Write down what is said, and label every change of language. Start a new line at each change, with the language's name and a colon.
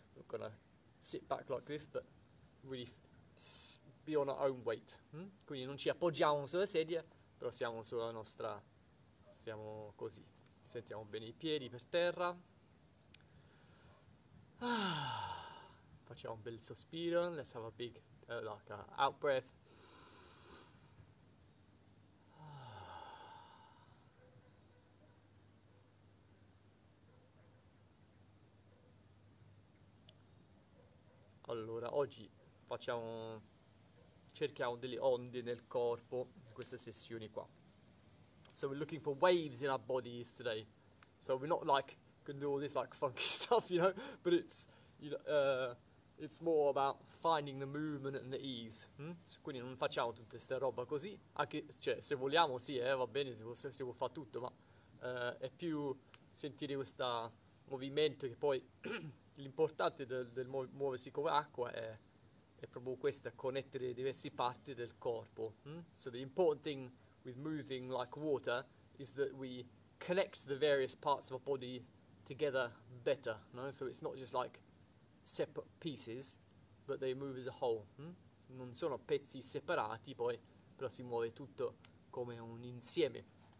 English: We're gonna sit back like this, but really be on our own weight.
Italian: Quindi non ci appoggiamo sulle sedie, però siamo sulla nostra. Siamo così. Sentiamo bene i piedi per terra. Facciamo un bel sospiro.
English: Let's have a big, like a out breath.
Italian: Allora, oggi facciamo. Cerchiamo delle onde nel corpo in queste sessioni qua.
English: So we're looking for waves in our bodies today. So we're not like gonna do all this like funky stuff, you know, but it's more about finding the movement and the ease.
Italian: Quindi non facciamo tutta questa roba così, anche cioè se vogliamo sì, va bene, si può fare tutto, ma è più sentire questo movimento che poi l'importante del muoversi come acqua è proprio questa, connettere diverse parti del corpo.
English: So the important thing with moving like water is that we connect the various parts of our body together better, no? So it's not just like separate pieces, but they move as a whole.
Italian: Non sono pezzi separati, poi però si muove tutto come un insieme.